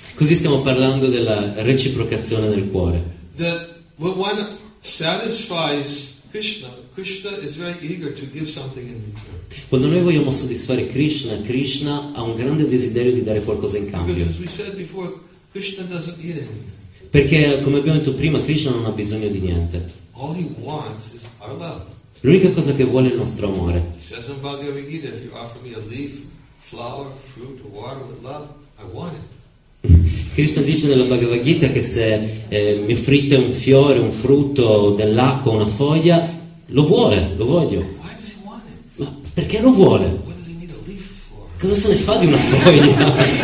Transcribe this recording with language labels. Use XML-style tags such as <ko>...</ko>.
<it>Così stiamo parlando della reciprocazione nel cuore.</it> <en>That one satisfies Krishna. Krishna is very eager to give something in return.</en> <it>Quando noi vogliamo soddisfare Krishna, Krishna ha un grande desiderio di dare qualcosa in cambio.</it> <en>Because as we said before, Krishna doesn't need anything.</en> <it>Perché, come abbiamo detto prima, Krishna non ha bisogno di niente.</it> <en>All he wants is our love.</en> <it>L'unica cosa che vuole è il nostro amore.</it> <en>He says in Bhagavad Gita, if you offer me a leaf, flower, fruit, or water with love, I want it.</en> <it>Krishna dice nella Bhagavad Gita che se mi offrite un fiore, un frutto, dell'acqua, una foglia, lo vuole, lo voglio. Ma perché lo vuole? Cosa se ne fa di una foglia?</it>